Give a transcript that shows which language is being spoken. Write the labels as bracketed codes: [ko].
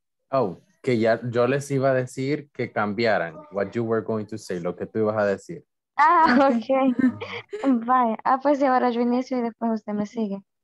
[es] Oh, que ya yo les iba a decir que cambiaran. [en] What you were going to say, [es] lo que tú ibas a decir. Ah, ok. Bye. Ah, pues ahora yo inicio y después usted me sigue.